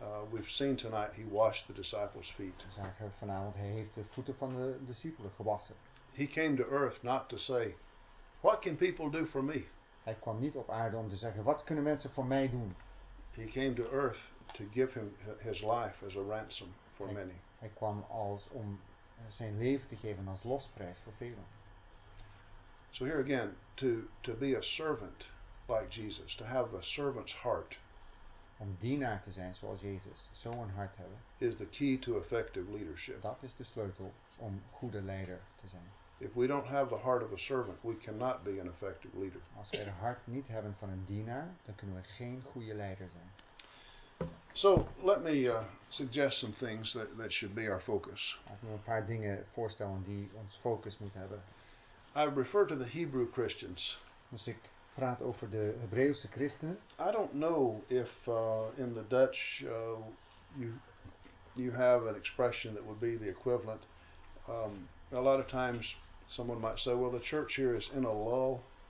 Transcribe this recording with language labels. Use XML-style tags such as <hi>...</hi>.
<en>We've seen tonight he washed the disciples' feet.</en> <nl>We zagen vanavond hij heeft de voeten van de discipelen gewassen.</nl> <en>He came to earth not to say, what can people do for me?</en> <nl>Hij kwam niet op aarde om te zeggen, wat kunnen mensen voor mij doen?</nl> <en>He came to earth to give him his life as a ransom for many.</en> <nl>Hij kwam als om zijn leven te geven als losprijs voor velen.</nl> <en>So here again, to be a servant like Jesus, to have a servant's heart.</en> <nl>Om dienaar te zijn zoals Jezus, zo een hart hebben.</nl> <en>Is the key to effective leadership.</en> <nl>Dat is de sleutel om goede leider te zijn.</nl> <en>If we don't have the heart of a servant, we cannot be an effective leader.</en> <nl>Als wij het hart niet hebben van een dienaar, dan kunnen we geen goede leider zijn.</nl> <en>So, let me suggest some things that should be our focus.</en> <nl>Laat me een paar dingen voorstellen die ons focus moet hebben.</nl> <en>I refer to the Hebrew Christians.</en> <nl>Dus ik praat over de Hebreeuwse christenen.</nl> <en>I don't know if in the Dutch you have an expression that would be the equivalent. A lot of times someone might say, well, the church here is in a lull.</en>